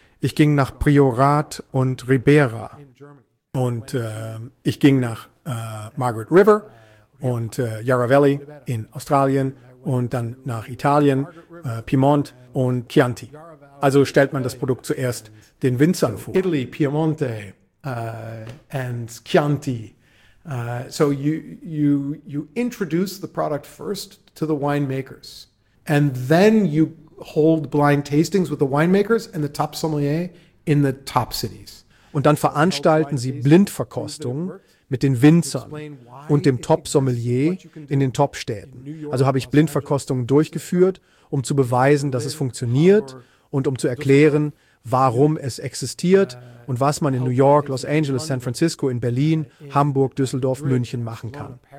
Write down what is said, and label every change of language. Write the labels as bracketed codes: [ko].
[de] Ich ging nach Priorat und Ribera. Und ich ging nach Margaret River und Yarra Valley in Australien und dann nach Italien, Piemont und Chianti. Also stellt man das Produkt zuerst den Winzern vor. [en] Italy, Piemonte. And Chianti. So you introduce the product first to the winemakers, and then you hold blind tastings with the winemakers and the top sommelier in the top cities. [de] Und dann veranstalten sie Blindverkostungen mit den Winzern und dem Top Sommelier in den Top-Städten. Also habe ich Blindverkostungen durchgeführt, um zu beweisen, dass es funktioniert und um zu erklären, warum es existiert und was man in New York, Los Angeles, San Francisco, in Berlin, Hamburg, Düsseldorf, München machen kann.